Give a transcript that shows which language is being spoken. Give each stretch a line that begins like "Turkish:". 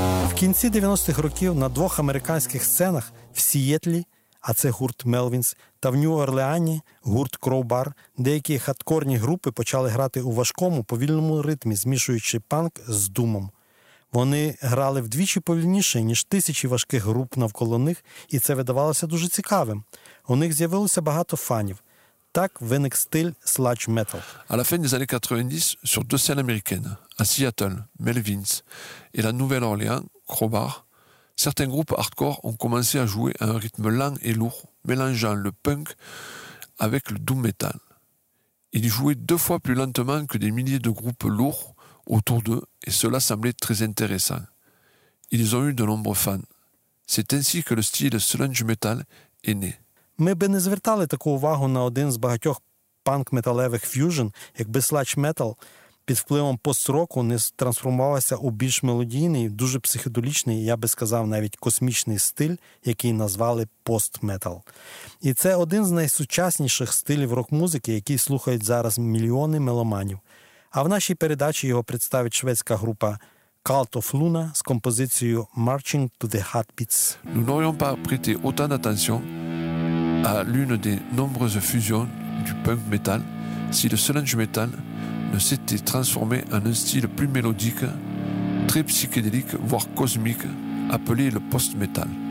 Ukrainian: В кінці 90-х років на двох американських сценах в Сіетлі, а це гурт Мелвінс, та в Нью-Орлеані гурт Кроубар, деякі хаткорні групи почали грати у важкому, повільному ритмі, змішуючи панк з думом. Вони грали вдвічі повільніше, ніж тисячі важких груп навколо них, і це видавалося дуже цікавим. У них з'явилося багато фанів. Так виник стиль sludge metal.
French: À la fin des années 90, sur deux scènes américaines, à Seattle, Melvins, et la Nouvelle-Orléans, Crowbar, certains groupes hardcore ont commencé à jouer à un rythme lent et lourd, mélangeant le punk avec le doom metal. Ils jouaient deux fois plus lentement que des milliers de groupes lourds autour d'eux, et cela semblait très intéressant. Ils ont eu de nombreux fans. C'est ainsi que le style sludge metal est né.
Ukrainian: Ми би не звертали таку увагу на один з багатьох панк-металевих ф'южн, якби слач-метал під впливом пост-року не трансформувався у більш мелодійний, дуже психоделічний, я би сказав, навіть космічний стиль, який назвали пост-метал. І це один з найсучасніших стилів рок-музики, який слухають зараз мільйони меломанів. А в нашій передачі його представить шведська група Cult of Luna з композицією Marching to the Heartbeats.
French: Nous n'aurions pas prêté autant d'attention à l'une des nombreuses fusions du punk metal si le sludge metal ne s'était transformé en un style plus mélodique, très psychédélique, voire cosmique, appelé le post-metal.